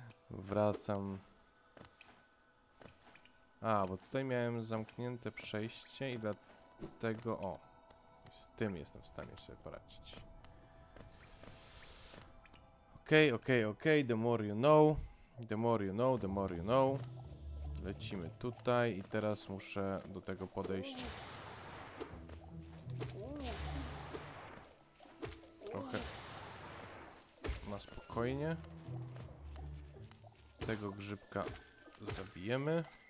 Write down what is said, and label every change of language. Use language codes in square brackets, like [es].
[pl] Wracam. A, bo tutaj miałem zamknięte przejście i dlatego... O, z tym jestem w stanie sobie poradzić. Okej, okej, okej, [en] the more you know. The more you know, the more you know. [pl] Lecimy tutaj i teraz muszę do tego podejść trochę na spokojnie. Tego grzybka zabijemy.